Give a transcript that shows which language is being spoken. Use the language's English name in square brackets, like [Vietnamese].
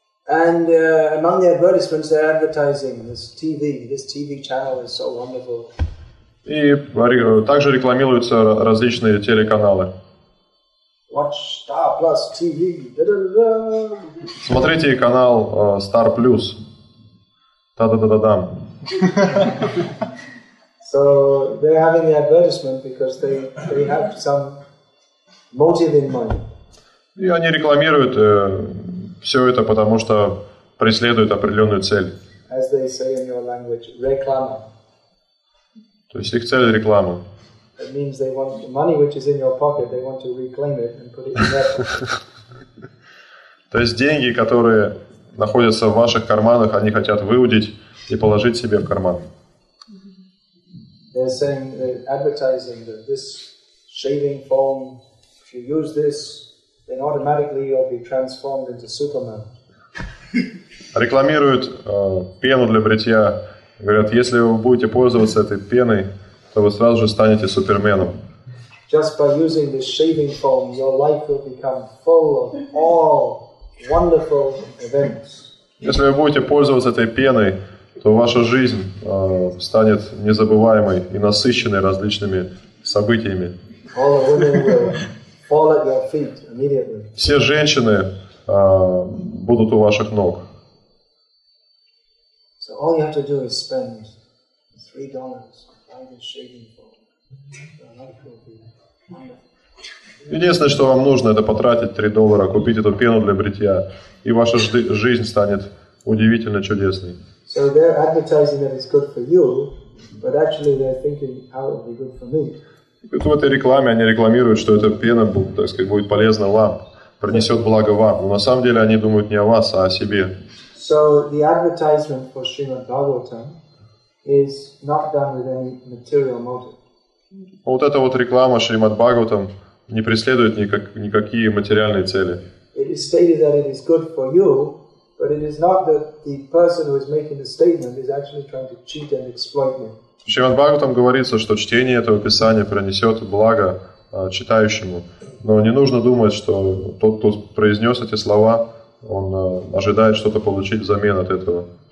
[English] And among the advertisements, they're advertising this TV. This TV channel is so wonderful. [Russian] И также рекламируются различные телеканалы. [English] Watch Star Plus TV. Da-da-da-da. [Russian] Смотрите канал Star Plus. Та-да-да-да-дам. [English] So they're having the advertisement because they have some motive in mind. [Russian] И они рекламируют все это, потому что преследуют определенную цель. [English] As they say in your language, reklama. [Russian] То есть их цель — реклама. [English] It means they want the money which is in your pocket, they want to reclaim it and put it in their pocket. [Russian] То есть деньги, которые находятся в ваших карманах, они хотят выудить и положить себе в карман. [English] They're saying, they're advertising that this shaving foam, if you use this, then automatically you'll be transformed into Superman. [Russian] Рекламируют пену для бритья. Говорят, если вы будете пользоваться этой пеной, то вы сразу же станете суперменом. [English] Just by using this shaving foam, your life will become full of all wonderful events. [Russian] Если вы будете пользоваться этой пеной, то ваша жизнь станет незабываемой и насыщенной различными событиями. [English] All the women will fall at your feet immediately. [Russian] Все женщины будут у ваших ног. [English] So all you have to do is spend $3 on this shaving foam. [Russian] Единственное, что вам нужно, это потратить $3, купить эту пену для бритья, и ваша жизнь станет удивительно чудесной. [English] So they're advertising that it's good for you, but actually they're thinking how it would be good for me. [Russian] В этой рекламе они рекламируют, что эта пена, так сказать, будет полезна вам, принесет благо вам. Но на самом деле они думают не о вас, а о себе. [English] So the advertisement for Srimad Bhagavatam is not done with any material motive. [Russian] Вот эта вот реклама Шримад Бхагаватам не преследует никакие материальные цели. [English] It is stated that it is good for you, but it is not that the person who is making the statement is actually trying to cheat and exploit me. [Russian] В Шримад-Бхагаватам говорится, что чтение этого писания принесет благо читающему. Но не нужно думать, что тот, кто произнес эти слова, он ожидает что-то получить взамен от этого.